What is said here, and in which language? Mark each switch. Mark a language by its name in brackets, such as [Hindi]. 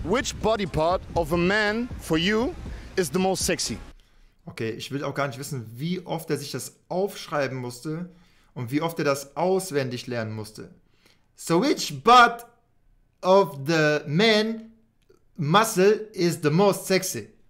[English] Which body part of a man for you is the most sexy? [German] Okay, ich will auch gar nicht wissen, wie oft er sich das aufschreiben musste und wie oft er das auswendig lernen musste. [English] So which part of the man muscle is the most sexy?